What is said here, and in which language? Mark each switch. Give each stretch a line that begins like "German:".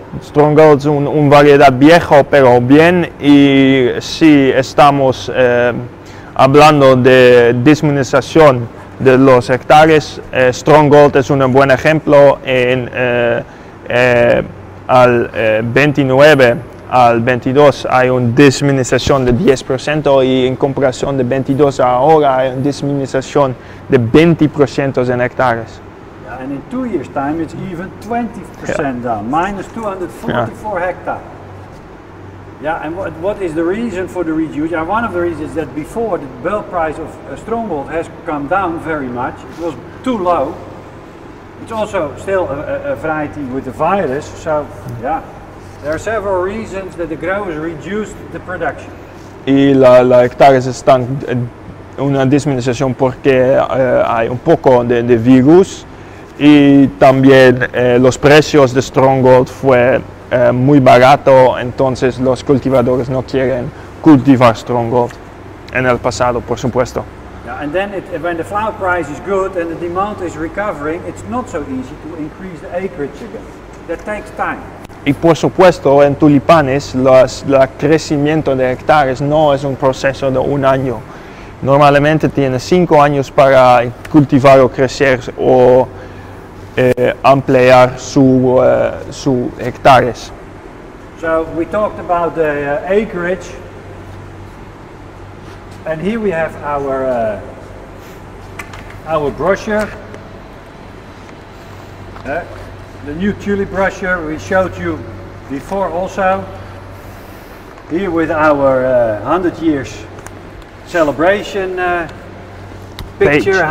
Spanish: Strong Gold es un variedad viejo, pero bien. Y sí, estamos hablando de disminución de los hectáreas. Strong Gold es un buen ejemplo en al 29 al 22 hay una disminución de 10% y en comparación de 22 ahora hay una disminución de 20% en hectáreas.
English: And in 2 years' time, it's even 20% down, minus 244 hectare. Yeah, and what is the reason for the reduce? Yeah, one of the reasons is that before the bulk price of Stronghold has come down very much. It was too low. It's also still a variety with the virus. So, yeah, there are several reasons that the growers reduced the production.
Spanish: Y la hectare se está una disminución porque hay un poco de virus. Y también los precios de Stronghold fue muy barato, entonces los cultivadores no quieren cultivar Stronghold en el pasado, por supuesto.
English: Yeah, and then when the flower price is good and the demand is recovering, it's not so easy to increase the acreage again. That takes time.
Spanish: Y por supuesto, en tulipanes, el crecimiento de hectáreas no es un proceso de un año. Normalmente tiene 5 años para cultivar o crecer o ampliar su hectáreas.
English: So we talked about the acreage, and here we have our brochure, the new tulip brochure we showed you before also, here with our 100 years celebration picture